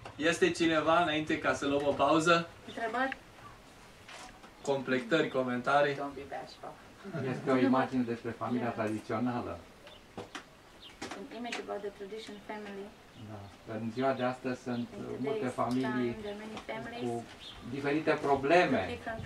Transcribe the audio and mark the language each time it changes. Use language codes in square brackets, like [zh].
[ro] Este cineva înainte ca să luăm o pauză? Întrebări? Completări, comentarii? [en] Don't be bashful. [ro] Este o imagine despre familia [en] yes. [ro] tradițională. [en] An image about the tradition family. [ro] Da. În ziua de astăzi sunt multe familii cu diferite probleme.